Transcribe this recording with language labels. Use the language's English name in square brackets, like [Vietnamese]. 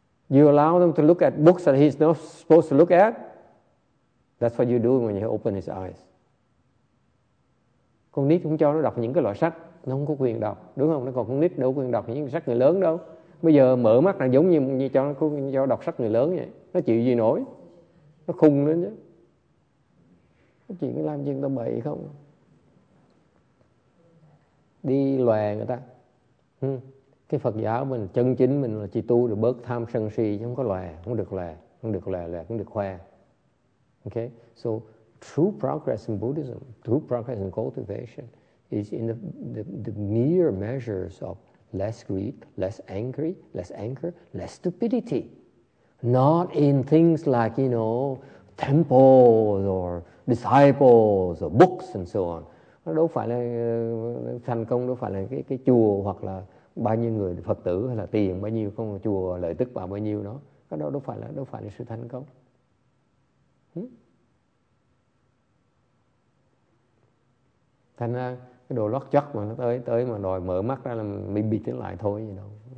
[English] You allow them to look at books that he's not supposed to look at? That's what you do when you open his eyes. [Vietnamese] Con nít cũng cho nó đọc những cái loại sách nó không có quyền đọc, đúng không? Nó còn con nít đâu có quyền đọc những sách người lớn đâu. Bây giờ mở mắt là giống như cho nó cho đọc sách người lớn vậy. Nó chịu gì nổi? Nó khùng lên chứ. Nó chuyện làm gì tao bậy không? Đi lòe người ta. Cái Phật giáo mình chân chính mình là chỉ tu được bớt tham sân si, chứ không có lòe, không được lòe, không được lòe lòe, không được khoe. [English] Okay? So true progress in Buddhism, true progress in cultivation is in the mere measures of less greed, less angry, less anger, less stupidity. Not in things like, you know, temples or disciples or books and so on. [Vietnamese] Đâu phải là thành công, đâu phải là cái chùa hoặc là bao nhiêu người Phật tử hay là tiền bao nhiêu, không chùa lợi tức bao nhiêu đó. Cái đó đâu phải là sự thành công. Thành ra cái đồ lót chót mà nó tới mà đòi mở mắt ra là mình bịt nó lại thôi, gì đâu.